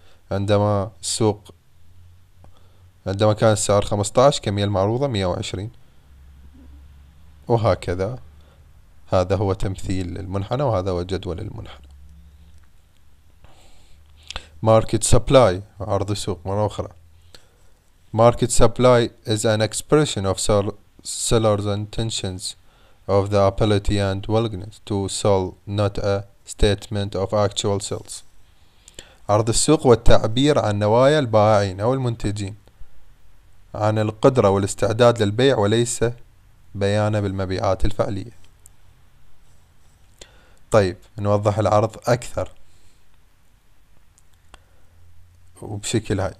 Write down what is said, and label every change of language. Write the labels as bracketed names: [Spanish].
[Arabic] عندما كان السعر 15، الكمية المعروضة 120، وهكذا. هذا هو تمثيل المنحنى، وهذا هو جدول المنحنى. [English] Market supply، [Arabic] عرض سوق مرة أخرى. [English] Market supply is an expression of seller's intentions of the ability and willingness to sell, not a statement of actual sales. [Arabic] عرض السوق والتعبير عن نوايا البائعين أو المنتجين عن القدرة والاستعداد للبيع، وليس بيانا بالمبيعات الفعلية. طيب، نوضح العرض أكثر وبشكل هاي.